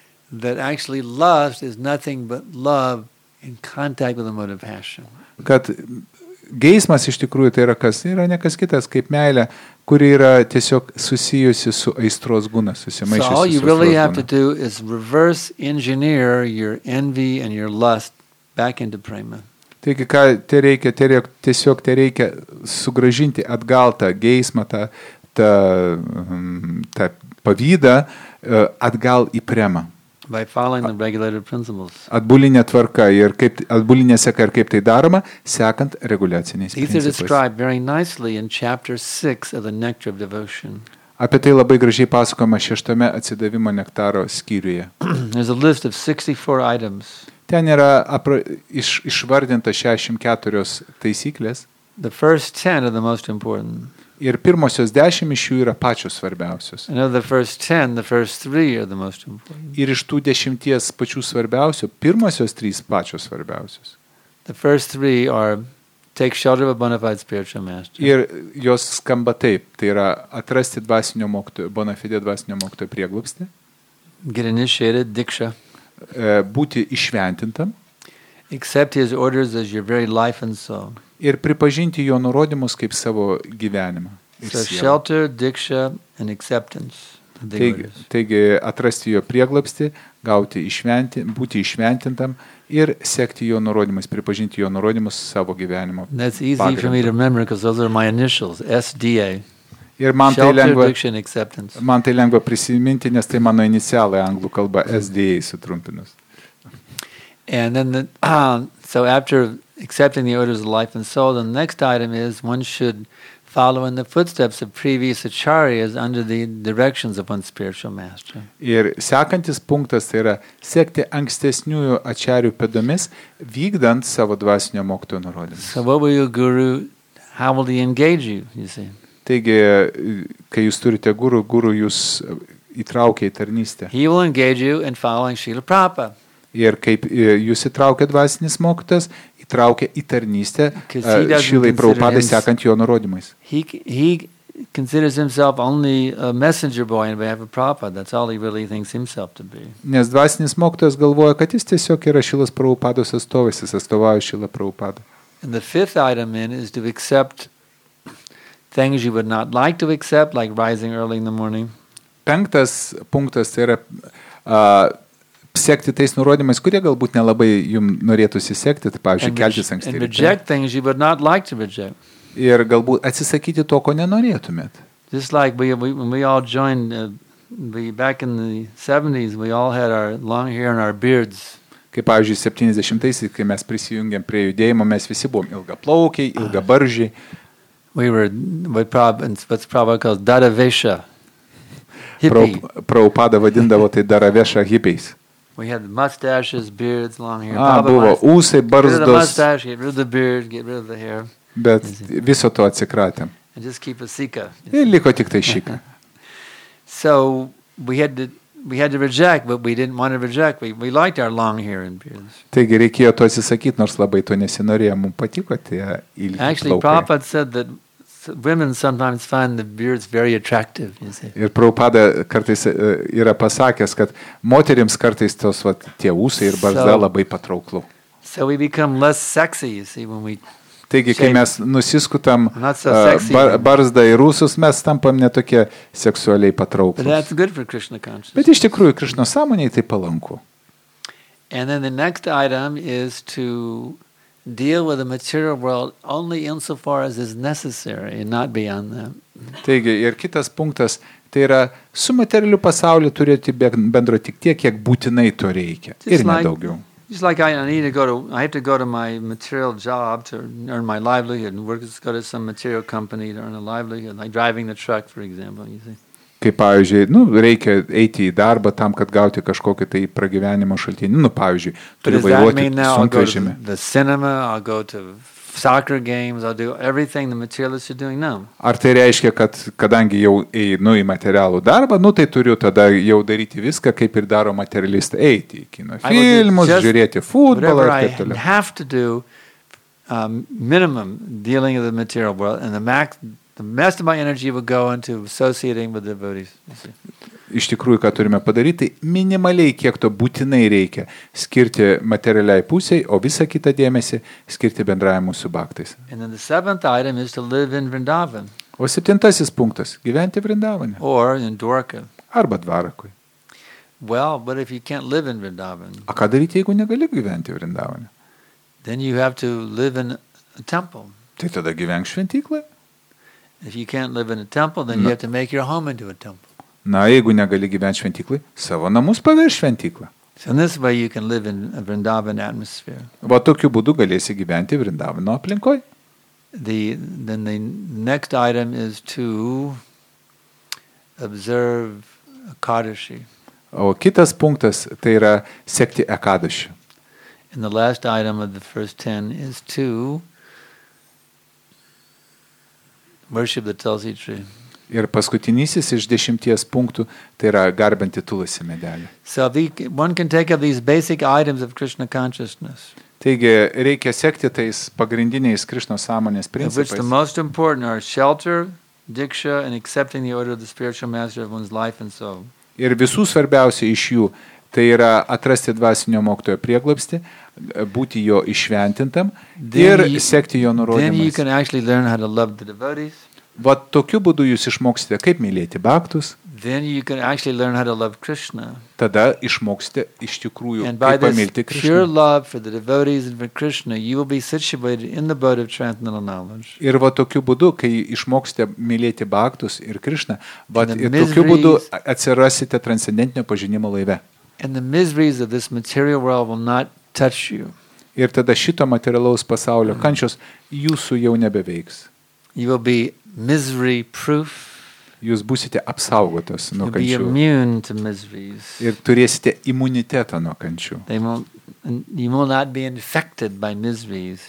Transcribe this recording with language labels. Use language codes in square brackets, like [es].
[en] That actually lust is nothing but love in contact with the mode of passion. [lt] Kad geismas iš tikrųjų tai yra kas, yra ne kas kitas kaip meilė, kuri yra tiesiog susijusi su aistros guna, susimaišiusi aistros [en] guna. So all you really have to do is reverse engineer your envy and your lust back into prema. [lt] Taigi, ką tereikia sugražinti atgal tą geismą, tą pavydą atgal į prema. [en] By following the regulated principles. [lt] Atbulinė tvarka ir kaip atbulinė seka ir kaip tai daroma, sekant reguliaciniais principais. [en] These are described very nicely in chapter 6 of the Nectar of Devotion. [lt] Apie tai labai gražiai pasakoma šeštame atsidavimo nektaro skyriuje. [en] There's a list of 64 items. [lt] Ten yra išvardinta 64 taisyklės. [en] The first 10 are the most important. [lt] Ir pirmosios 10 iš jų yra pačios svarbiausios. [en] And the first 10, the first 3 are the most important. [lt] Ir iš tų 10 pačių svarbiausių, pirmosios 3 pačios svarbiausios. [en] The first 3 are take shelter of a bona fide spiritual master. [lt] Ir jos skamba taip, tai yra atrasti dvasinio mokytojo, bona fide dvasinio mokytojo prieglobstį. [en] Get initiated, diksha. [lt] Būti išventintam. [en] Accept his orders as your very life and soul. [lt] Ir pripažinti jo nurodymus kaip savo gyvenimą. [en] So shelter, diksha and acceptance. [lt] Taigi atrasti jo prieglobstį, būti išventintam ir sekti jo nurodymus, pripažinti jo nurodymus savo gyvenimo. [en] That's easy [lt] pagrindu. [en] For me to remember because those are my initials, SDA. [lt] Ir man [en] shelter, [lt] tai lengva, [en] diksha and acceptance. [lt] Man tai lengva prisiminti, nes tai mano inicialai anglų kalba SDA sutrumpinus. [en] And then so after accepting the orders of life and soul, the next item is one should follow in the footsteps of previous acharyas under the directions of one's spiritual master. [lt] Ir sekantis punktas tai yra sekti ankstesniųjų acharyų pėdomis, vykdant savo dvasinio mokytojo nurodymus. [en] So what will your guru, how will he engage you, you see? [lt] Taigi, kai jūs turite guru, guru jūs įtraukia į tarnystę. [en] He will engage you in following Srila Prabhupada. [lt] Ir kaip jūs įtraukia dvasinis mokytas, įtraukia į tarnystę Šilai Prabhupadai sekant jo nurodymais. [en] He considers himself only a messenger boy in behalf of Prabhupada. That's all he really thinks himself to be. [lt] Nes dvasinis mokytas galvoja, kad jis tiesiog yra Šilas Prabhupados atstovas, jis atstovauja Šilą Prabhupadą. [en] And the fifth item in is to accept things you would not like to accept, like rising early in the morning. [lt] Penktas punktas tai yra sekti tais nurodymais, kurie galbūt nelabai jums norėtųsi sekti, tai pavyzdžiui, keltis anksti. [en] And reject things you would not like to reject. [lt] Ir galbūt atsisakyti to, ko nenorėtumėt. [en] Just like when we all joined back in the 70s, we all had our long hair and our beards. [lt] Kaip pavyzdžiui, 70-aisiais, kai mes prisijungėm prie judėjimo, mes visi buvom ilgaplaukiai, ilgabaržiai. [en] We were what's probably called Daravesha. [lt] Prabhupada vadindavo tai Daravesha hippies. [en] We had mustaches, beards, long hair. [lt] Buvo ūsai, barzdos. [en] Get rid of the mustache, get rid of the beard, get rid of the hair. [lt] Bet viso to atsikratėm. [en] And just keep a sika. [lt] Ir liko tik tai šika. [en] So we had to reject, but we didn't want to reject. We liked our long hair and beards. [lt] Taigi reikėjo to atsisakyti, nors labai to nesinorėjo, mums patiko tie ilgi plaukai. [en] Actually, Prabhupada said that women sometimes find the beards very attractive, you see. [lt] Ir Prabhupada kartais yra pasakęs, kad moterims kartais tos vat tie ūsai ir barzda labai patrauklu. [en] So we become less sexy, you see, when we [lt] Taigi, kai mes nusiskutam barzdą ir ūsus, mes tampam netokie seksualiai patrauklus. [en] But that's good for Krishna consciousness. [lt] Bet iš tikrųjų, Krishna sąmonėje tai palanku. [en] And then the next item is to deal with the material world only insofar as is necessary and not beyond that. [lt] Taigi, ir kitas punktas, tai yra su materialiu pasauliu turėti bendro tik tiek, kiek būtinai to reikia ir nedaugiau. [en] It's like I have to go to my material job to earn my livelihood and work go to some material company to earn a livelihood, like driving the truck, for example, you see. [lt] Kaip pavyzdžiui, reikia eiti į darbą tam, kad gauti kažkokį tai pragyvenimo šaltinį. Pavyzdžiui, turi vairuoti sunkvežimį. [en] The cinema, I'll go to soccer games, I'll do everything the materialists are doing now. [lt] Ar tai reiškia, kad kadangi jau einu į materialų darbą, tai turiu tada jau daryti viską, kaip ir daro materialistą, eiti į kino filmus, žiūrėti futbolą ir taip toliau. [en] I have to do minimum dealing with the material world and the rest of my energy will go into associating with devotees. [lt] Iš tikrųjų, ką turime padaryti, minimaliai, kiek to būtinai reikia, skirti materialiai pusiai, o visą kitą dėmesį skirti bendravimu su baktais. [en] And then the seventh item is to live in Vrindavan. [lt] O septintasis punktas – gyventi Vrindavane. [en] Or in Dvaraka. [lt] Arba Dvarakui. [en] Well, but if you can't live in Vrindavan. [lt] A ką daryti, jeigu negali gyventi Vrindavane? [en] Then you have to live in a temple. [lt] Tai tada gyvenk šventykloje. [en] If you can't live in a temple, then you have to make your home into a temple. [lt] Na, jeigu negali gyventi šventyklai, savo namus paverš šventyklą. [en] So in this way you can live in a Vrindavan atmosphere. [lt] Va tokiu būdu galėsi gyventi Vrindavano aplinkoj. [en] Then the next item is to observe Ekadashi. [lt] O kitas punktas, tai yra sekti Ekadashi. [en] And the last item of the first ten is to worship the Tulsi tree. [lt] Ir paskutinysis iš dešimties punktų, tai yra garbinti tulasi medelį. [en] So one can take up these basic items of Krishna consciousness. [lt] Taigi, reikia sekti tais pagrindiniais Krishna sąmonės principais. [en] Which the most important are shelter, diksha, and accepting the order of the spiritual master of one's life and soul. [lt] Ir visų svarbiausia iš jų, tai yra atrasti dvasinio mokytojo prieglobstį, būti jo išventintam ir sekti jo nurodymais. [en] Then you can actually learn how to love the devotees. [lt] Vat tokiu būdu jūs išmoksite, kaip mylėti baktus. [en] Then you can actually learn how to love Krishna. [lt] Tada išmoksite iš tikrųjų, kaip pamilti Krishna. [en] Pure love for the devotees and for Krishna, you will be situated in the boat of transcendental knowledge. [lt] Ir vat tokiu būdu, kai išmoksite mylėti baktus ir Krishna, vat tokiu būdu atsirasite transcendentinio pažinimo laive. [en] And the miseries of this material world will not touch you. [lt] Ir tada šito materialaus pasaulio kančios jūsų jau nebeveiks. [en] You will be misery proof. [lt] Jūs būsite apsaugotos nuo kančių. [en] You'll be immune to miseries. [lt] Ir turėsite imunitetą nuo kančių. [en] You will not be infected by miseries.